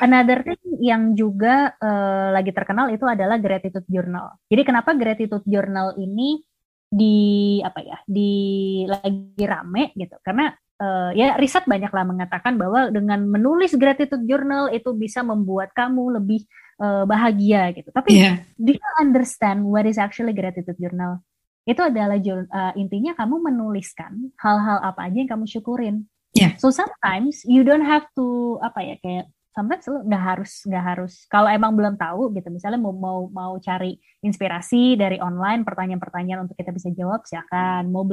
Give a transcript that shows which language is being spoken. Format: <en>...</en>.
<en>Another thing</en> <id>yang juga lagi terkenal itu adalah gratitude journal. Jadi kenapa gratitude journal ini di apa ya di lagi rame gitu? Karena ya riset banyaklah mengatakan bahwa dengan menulis gratitude journal itu bisa membuat kamu lebih bahagia gitu.</id> <en>Tapi do you understand what is actually gratitude journal?</en> <id>Itu adalah intinya kamu menuliskan hal-hal apa aja yang kamu syukurin.</id> <en>Yeah. So sometimes you don't have to</en> <id>apa ya kayak sometimes lo nggak harus kalau emang belum tahu gitu, misalnya mau cari inspirasi dari online, pertanyaan-pertanyaan untuk kita bisa jawab, silakan.</id>